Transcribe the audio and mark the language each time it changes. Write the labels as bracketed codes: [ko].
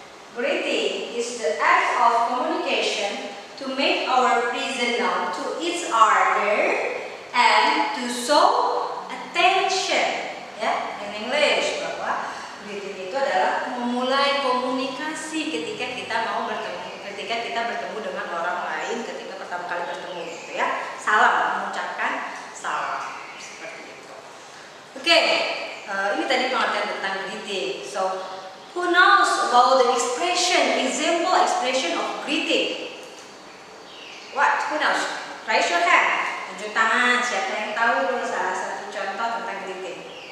[en] Greeting is the act of communication to make our present known to each other and to show attention. [id] Ya, [en] in English, [id] bahwa greeting itu adalah memulai komunikasi ketika kita bertemu dengan orang lain, ketika pertama kali bertemu, gitu ya. Salam, mengucapkan salam seperti itu. Oke, ini tadi pengertian tentang greeting. [en] So, who knows about the expression, example expression of greeting? What? Who knows? Raise your hand. [id] Tunjuk tangan. Siapa yang tahu dulu salah satu contoh tentang greeting?